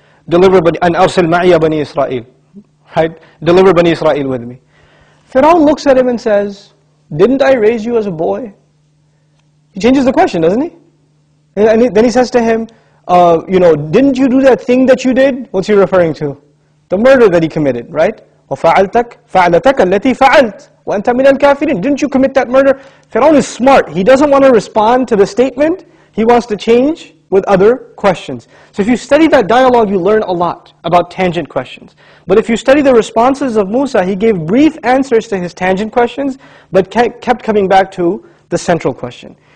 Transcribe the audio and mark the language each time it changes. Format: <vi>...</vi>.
<en>Deliver, and</en> <ar>arsil ma'iya bani Israel.</ar> <en>Right? Deliver bani Israel with me. Fir'aun looks at him and says, didn't I raise you as a boy? He changes the question, doesn't he? And then he says to him, didn't you do that thing that you did? What's he referring to? The murder that he committed, right?</en> <ar>وَفَعَلْتَكَ فَعَلَتَكَ الَّتِي فَعَلْتَ وَأَنْتَ مِنَ الْكَافِرِينَ</ar> <en>Didn't you commit that murder? Fir'aun is smart. He doesn't want to respond to the statement. He wants to change with other questions. So if you study that dialogue, you learn a lot about tangent questions. But if you study the responses of Musa, he gave brief answers to his tangent questions, but kept coming back to the central question.</en>